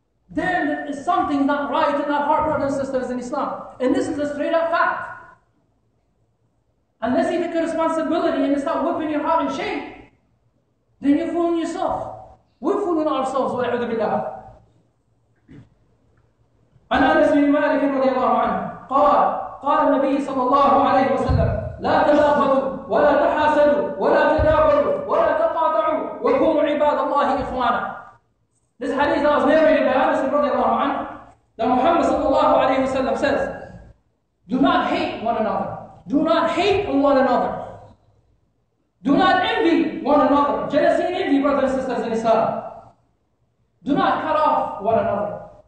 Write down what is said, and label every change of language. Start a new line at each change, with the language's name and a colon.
English: Then there is something not right in our heart, brothers and sisters in Islam. And this is a straight up fact. Unless you take a responsibility and you start whipping your heart in shame, then you're fooling yourself. We're fooling ourselves, wa'udhu billah.
Arabic: عن أنس بن مالك رضي الله عنه قال النبي صلى الله عليه وسلم لا تناقضوا ولا تحاسدوا ولا تدابروا ولا تقاطعوا وكونوا عباد الله إخوانا.
English: This hadith was narrated by Anas
Arabic: رضي الله عنه
English: that Muhammad
Arabic: صلى الله عليه وسلم
English: says, do not hate one another, do not hate on one another, do not envy one another, jealousy and envy, brothers and sisters in Islam, do not cut off one another.